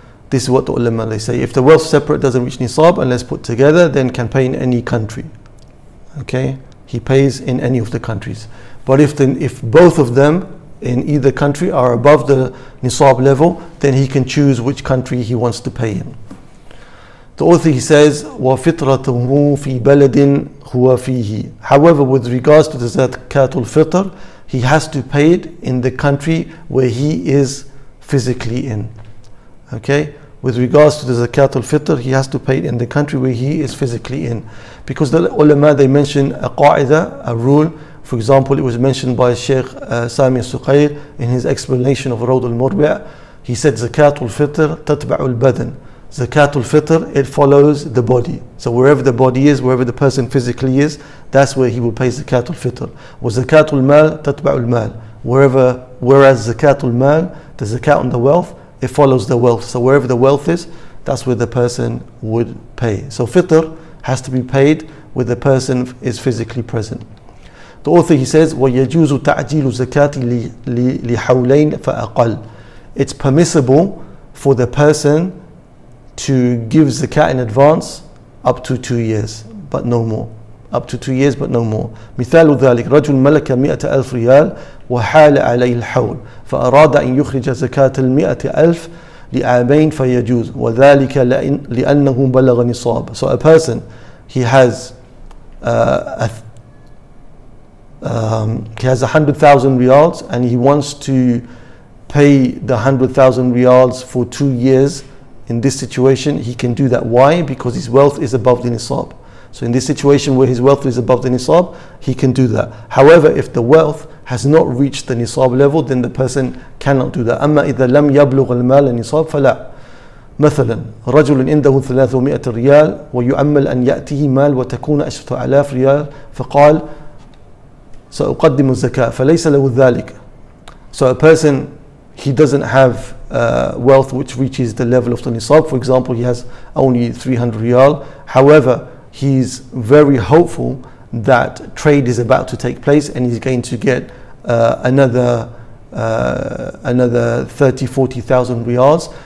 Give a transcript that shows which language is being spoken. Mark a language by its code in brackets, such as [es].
[en] This is what the ulama, they say. If the wealth separate doesn't reach nisab, unless put together, then can pay in any country. Okay? He pays in any of the countries. But if both of them in either country are above the nisab level, then he can choose which country he wants to pay in. The author, he says, [ar] وَفِطْرَتُهُ فِي بَلَدٍ هُوَ فِيهِ. [en] However, with regards to the zakatul fitr, he has to pay it in the country where he is physically in. Okay? With regards to the zakatul fitr, he has to pay it in the country where he is physically in. Because the ulama, they mention a qa'idah, a rule. For example, it was mentioned by Sheikh Sami Suqayr in his explanation of Rawd al-Murbi'. He said, [ar] zakatul fitr tatba'u al-badan. [en] Zakatul fitr, it follows the body. So wherever the body is, wherever the person physically is, that's where he will pay zakatul fitr. [ar] Wa zakatul mal tatba'ul mal. [en] Whereas zakatul mal, the zakat on the wealth, it follows the wealth. So wherever the wealth is, that's where the person would pay. So fitr has to be paid where the person is physically present. The author, he says, [ar] wa yajuzu ta'jilu zakati li hawlain fa aqal. [en] It's permissible for the person to give zakat in advance up to 2 years, but no more. Up to 2 years, but no more. [ar] مثال ذلك رجل ملك 100,000 ريال وحال عليه الحول فأراد أن يخرج زكاة 100,000 لعامين فيجوز وذلك لأنه بلغ نصاب. [en] So a person, he has 100,000 riyals and he wants to pay the 100,000 riyals for 2 years. In this situation, he can do that. Why? Because his wealth is above the nisab. So in this situation where his wealth is above the nisab, he can do that. However, if the wealth has not reached the nisab level, then the person cannot do that. [ar] أما إذا لم يبلغ المال النصاب فلا. مثلا رجل عنده 300 ريال ويؤمل أن يأتيه مال وتكون 10,000 ريال فقال سأقدم الزكاة فليس له ذلك. [en] So a person, he doesn't have wealth which reaches the level of the nisab. For example, he has only 300 riyal. However, he's very hopeful that trade is about to take place and he's going to get another 30,000-40,000 riyals.